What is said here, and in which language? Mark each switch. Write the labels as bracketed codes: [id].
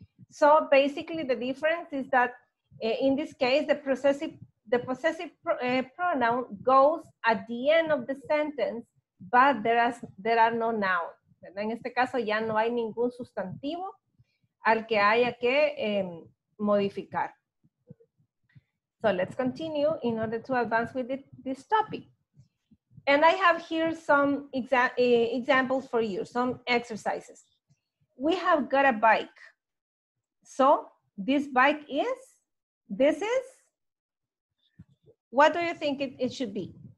[en] So basically the difference is that in this case, the possessive pronoun goes at the end of the sentence, but there are no nouns. [es] En este caso ya no hay ningún sustantivo al que haya que modificar. [en] So let's continue in order to advance with this topic. And I have here some examples for you, some exercises. We have got a bike. So this bike is, this is, what do you think it should be?